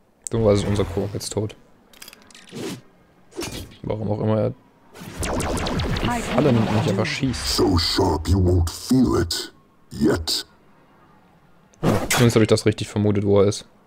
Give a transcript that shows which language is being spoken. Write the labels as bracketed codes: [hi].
[de] Dummerweise ist unser Co. jetzt tot. Warum auch immer er die Falle nimmt und mich einfach schießt. [en] So sharp you won't feel it yet. [de] Zumindest habe ich das richtig vermutet, wo er ist.